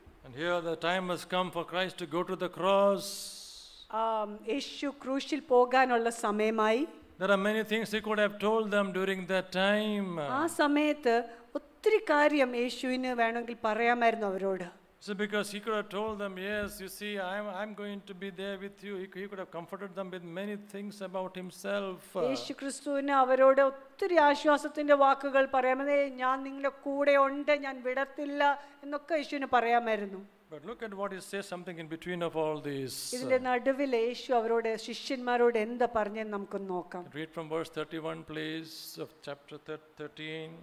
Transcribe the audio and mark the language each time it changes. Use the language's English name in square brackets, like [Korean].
[English] And here the time has come for Christ to go to the cross. [Malayalam] യേശു ക്രൂശിൽ പോകാനുള്ള സമയമായി. [English] There are many things he could have told them during that time. [Malayalam] ആ സമയത്ത് ഒത്തിരി കാര്യം യേശുവിന് വേണമെങ്കിൽ പറയാമായിരുന്നു അവരോട്. [English] So because he could have told them, yes, you see, I'm going to be there with you. He could have comforted them with many things about himself. [Malayalam] യേശു ക്രിസ്തുവിനെ അവരോട് ഒത്തിരി ആശ്വാസത്തിന്റെ വാക്കുകൾ പറയാമെന്ന്, ഞാൻ നിങ്ങളുടെ കൂടെ ഉണ്ട്, ഞാൻ വിടത്തില്ല എന്നൊക്കെ യേശുവിനെ പറയാമായിരുന്നു. [English] But look at what he says, something in between of all these. [Malayalam] ഇതിന്റെ നടുവിൽ യേശു അവരോട് ശിഷ്യന്മാരോട് എന്താ പറഞ്ഞു നമുക്ക് നോക്കാം. [English] Read from verse 31, please, of chapter 13.